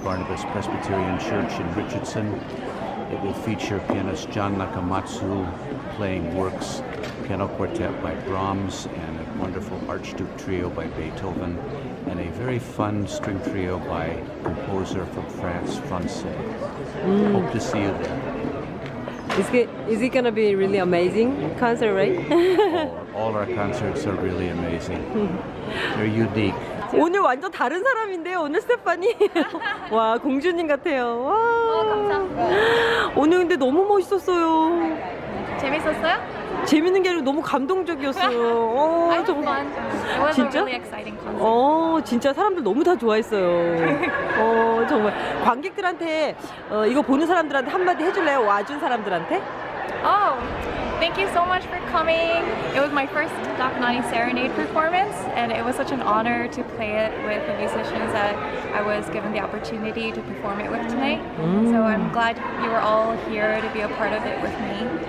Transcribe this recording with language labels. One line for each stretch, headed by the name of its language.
English: Barnabas Presbyterian Church in Richardson. It will feature pianist John Nakamatsu playing works, piano quartet by Brahms, and a wonderful Archduke trio by Beethoven, and a very fun string trio by composer from France, Francais. Mm. Hope to see you there. Is it going to be a really amazing concert, right? All our concerts are really amazing. They're unique.
Korean: 오늘 완전 다른 사람인데요. 오늘 스테파니. 와, 공주님 같아요. 와. 오늘 근데 너무 멋있었어요. 재밌었어요? 재밌는 게 아니라 너무 감동적이었어요. 어,
English: 정말. It was
Korean: 진짜?
English: A really exciting concert.
Korean: 어, 진짜 사람들 너무 다 좋아했어요. 어, 정말 관객들한테 이거 보는 사람들한테 한마디 해 줄래요? 와준 사람들한테?
English: Oh. Thank you so much for coming. It was my first Dakonani Serenade performance, and it was such an honor to play it with the musicians that I was given the opportunity to perform it with tonight. Mm. So I'm glad you were all here to be a part of it with me.